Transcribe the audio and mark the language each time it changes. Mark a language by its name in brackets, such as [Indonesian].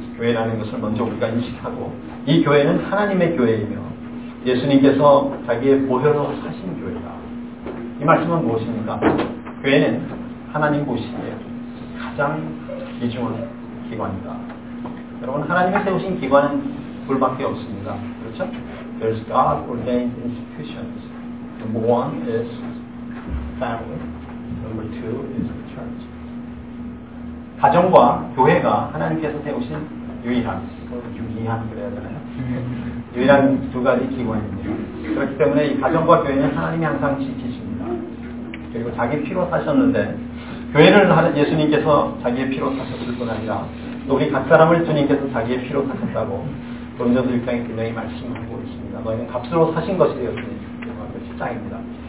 [Korean] 교회라는 것을 먼저 우리가 인식하고 이 교회는 하나님의 교회이며 예수님께서 자기의 보혈로 사신 교회다. 이 말씀은 무엇입니까? 교회는 하나님 보시기에 가장 귀중한 기관이다. 여러분 하나님이 세우신 기관은 둘밖에 없습니다. 그렇죠? [English] There's God ordained institutions. Number one is family. Number two is the church. [Korean] 가정과 교회가 하나님께서 세우신 유일한, 유기한 그래야 되나요? 유일한 두 가지 기관입니다. 그렇기 때문에 이 가정과 교회는 하나님이 항상 지키십니다. 그리고 자기 피로 사셨는데 교회를 예수님께서 자기의 피로 사셨을 뿐 아니라 또 우리 각 사람을 주님께서 자기의 피로 사셨다고 고린도서 6장에 분명히 말씀하고 있습니다. 너희는 값으로 사신 것이 되었으니 14장입니다.